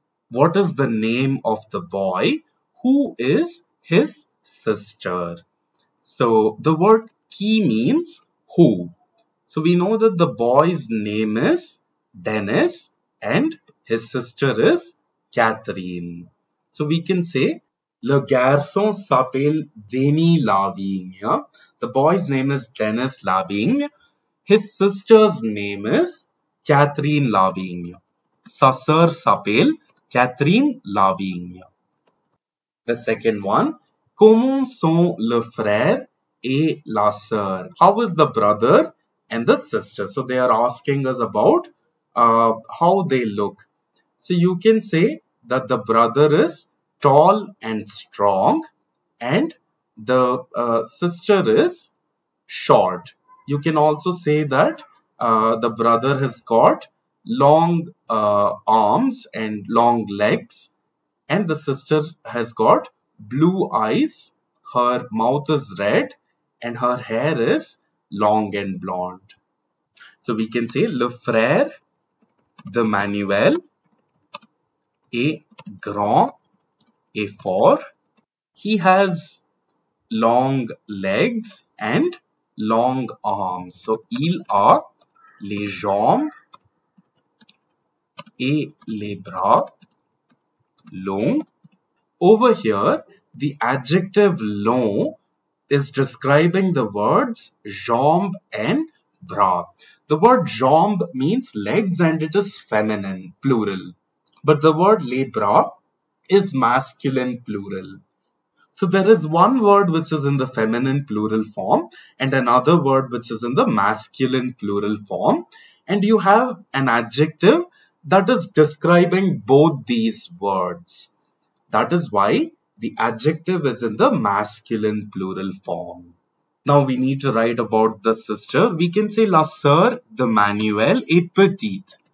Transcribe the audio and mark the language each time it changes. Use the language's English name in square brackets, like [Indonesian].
[English] What is the name of the boy? Who is his sister? So the word qui means who. So we know that the boy's name is Dennis and his sister is Catherine. So we can say, [French] le garçon s'appelle Denis Lavigne. [English] The boy's name is Dennis Lavigne. His sister's name is Catherine Lavigne. [French] Sa sœur s'appelle Catherine Lavigne. [English] The second one, [French] comment sont le frère et la sœur? [English] How is the brother and the sister? So they are asking us about how they look. So you can say that the brother is tall and strong and the sister is short. You can also say that the brother has got long arms and long legs and the sister has got blue eyes, her mouth is red and her hair is long and blonde. So we can say [French] le frère de Manuel est grand et fort. [English] He has long legs and long arms. [French] So il a les jambes et les bras longs. [English] Over here, the adjective long is describing the words jambe and bras. The word jambe means legs and it is feminine, plural. But the word les bras is masculine, plural. So there is one word which is in the feminine plural form and another word which is in the masculine plural form. And you have an adjective that is describing both these words. That is why the adjective is in the masculine plural form. Now we need to write about the sister. We can say [French] la sœur de Manuel est petite.